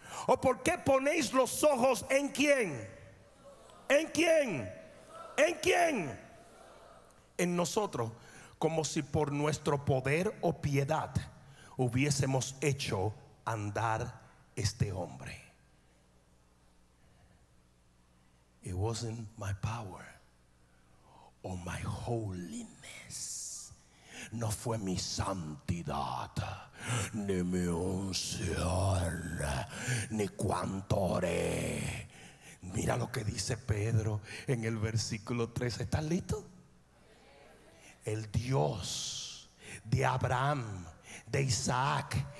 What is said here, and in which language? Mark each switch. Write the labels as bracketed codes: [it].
[es] ¿O por qué ponéis los ojos en quién? ¿En quién? ¿En quién? En nosotros, como si por nuestro poder o piedad hubiésemos hecho andar este hombre. [en] It wasn't my power or my holiness. [es] No fue mi santidad, ni mi unción, ni cuánto oré. Mira lo que dice Pedro en el versículo 13. ¿Estás listo? El Dios de Abraham, de Isaac